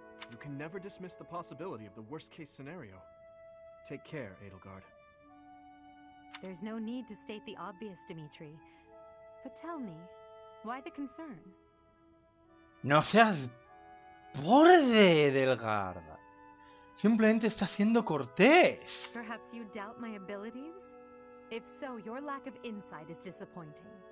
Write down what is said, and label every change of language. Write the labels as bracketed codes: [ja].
[en] You can never dismiss the possibility of the worst-case scenario. Take care, Edelgard. There's no need to state the obvious, Dimitri. But tell me, why the concern? [es] No seas borde, Edelgard. Simplemente está siendo cortés. [en] Perhaps you doubt my abilities? If so, your lack of insight is disappointing.